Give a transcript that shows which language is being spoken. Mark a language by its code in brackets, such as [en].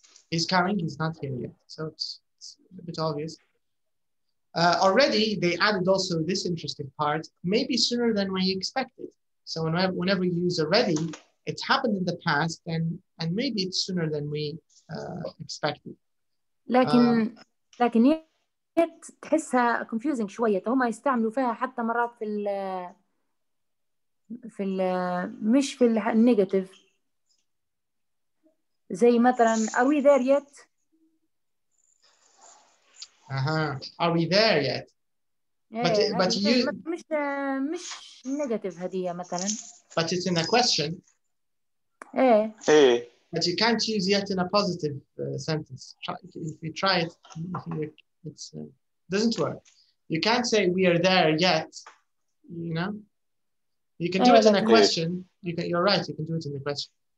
[en] He's coming, he's not here yet. So it's a bit obvious. Already, they added also this interesting part, maybe sooner than we expected. So whenever you use already, it's happened in the past, and maybe it's sooner than we expected. [ar] لكن يت تحسها confusing شوية. هما يستعملوا فيها حتى مرات في الـ مش في النيجاتيف. زي مثلاً [en] are we there yet? Uh-huh. Are we there yet? But you [ar] مش نيجاتيف هدية مثلاً. [en] But it's in a question. [ar] إيه. إيه. [en] But you can't use yet in a positive sentence. If you try it, it doesn't work. You can't say we are there yet, you know? You can do it in a question. You're right, you can do it in a question.